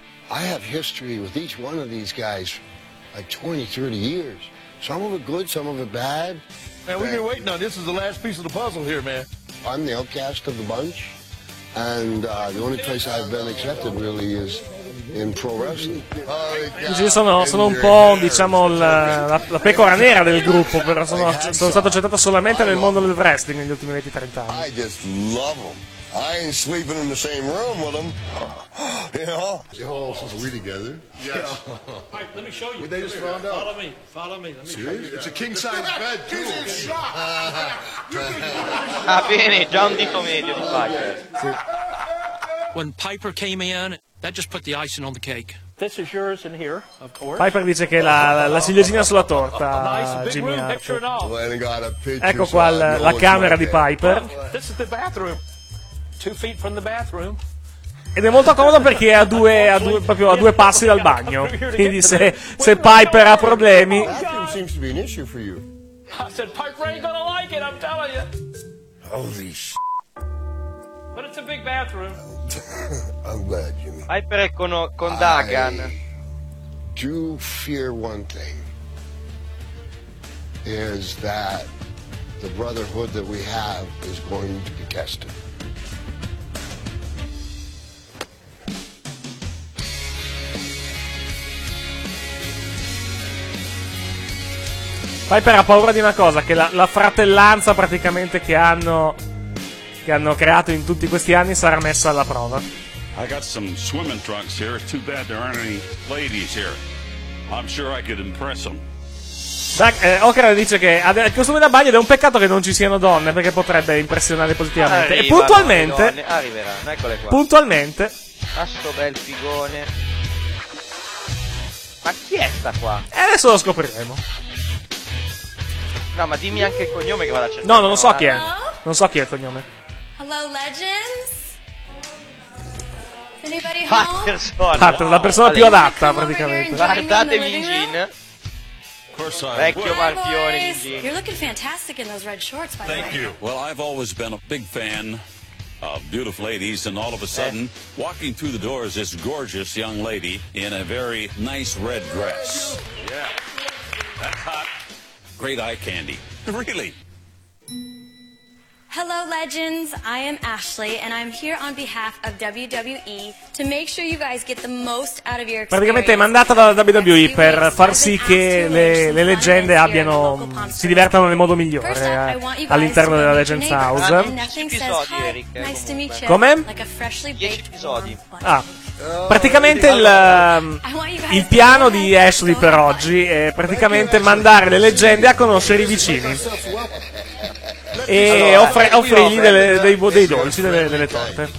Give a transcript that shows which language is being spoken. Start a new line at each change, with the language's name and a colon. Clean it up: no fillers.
English: I have history with each one of these guys. Like 20, 30 years. Some of it good, some of it bad. Man, we've been waiting on this. This is the last piece of the puzzle here, man. I'm the outcast of the bunch. And the only place I've been accepted really is in pro wrestling.
Italian: Così sono un po', diciamo, la pecora nera del gruppo, però sono stato accettato solamente nel mondo del wrestling negli ultimi 20-30 anni.
English: I just love them. I ain't sleeping in the same room with them. You know? Oh, since we together. Yes. All right, let me show you. Where they just found out. Follow me. Follow me. Let me show you. It's a king size bed. He's in shock.
Italian: Ah, bene, già un dito medio.
English: When Piper came in, that just put the icing on the cake. This is yours in here, of course.
Italian: Piper dice che la ciliegina sulla torta, Jimmy. Ecco qua la camera di Piper.
English: This is the bathroom. 2 feet from the bathroom.
Italian: Ed è molto comodo perché è a due passi dal bagno. Quindi se Piper ha problemi.
English: Bathroom seems to be an issue for you. I said Piper ain't gonna like it, I'm telling you. Holy sh**. But it's a big bathroom. I'm glad, Jimmy.
Italian: Piper è con Dagan.
English: I do fear one thing. Is that the brotherhood that we have is going to be tested.
Italian: Piper ha paura di una cosa, che la fratellanza praticamente che hanno creato in tutti questi anni sarà messa alla prova.
English: I got some swimming trunks here, it's too bad there aren't any ladies here. I'm sure I could impress them.
Italian: Okra dice che ha il costume da bagno ed è un peccato che non ci siano donne, perché potrebbe impressionare positivamente. Arriva, e puntualmente arriveranno, eccole qua. Puntualmente. A sto bel figone. Ma chi è sta qua? E adesso lo scopriremo. No, ma dimmi anche il cognome che vado a cercare. No, non so chi è. Non so chi è il cognome.
English: Hello, legends? Anybody home?
Italian: Patterson, la persona più adatta, praticamente. Guardatevi in jean. Vecchio marchione in jean.
English: You're looking fantastic in those red shorts, by the way. Thank you. Well, I've always been a big fan of beautiful ladies, and all of a sudden, walking through the door is this gorgeous young lady in a very nice red dress. Yeah. That's hot. Great eye candy. Really? Hello, legends. I am Ashley, and I'm here on behalf of WWE to make sure you guys get the most out of your experience.
Italian: Praticamente è mandata dalla WWE per far sì che le leggende abbiano si divertano nel modo migliore all'interno della Legends House.
English: Nice to meet you.
Italian: Come? 10 episodi. Ah. Praticamente il piano di Ashley per oggi è praticamente mandare le leggende a conoscere i vicini e offrirgli dei dolci, delle torte.